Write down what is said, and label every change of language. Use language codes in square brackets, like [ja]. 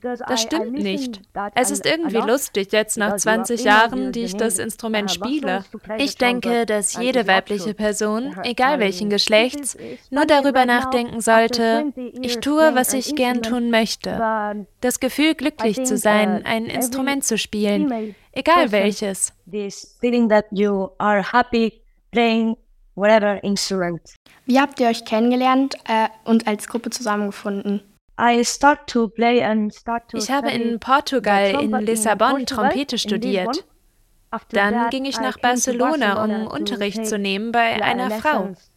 [de] Das stimmt nicht. Es ist irgendwie lustig, jetzt nach 20 Jahren, die ich das Instrument spiele. Ich denke, dass jede weibliche Person, egal welchen Geschlechts, nur darüber nachdenken sollte, ich tue, was ich gern tun möchte. Das Gefühl, glücklich zu sein, ein Instrument zu spielen, egal welches. [en] This feeling that you are happy playing whatever instrument. [de] Wie habt ihr euch kennengelernt und als Gruppe zusammengefunden? Ich habe in Portugal, in Lissabon, Trompete studiert. Dann ging ich nach Barcelona, um Unterricht zu nehmen bei einer Frau.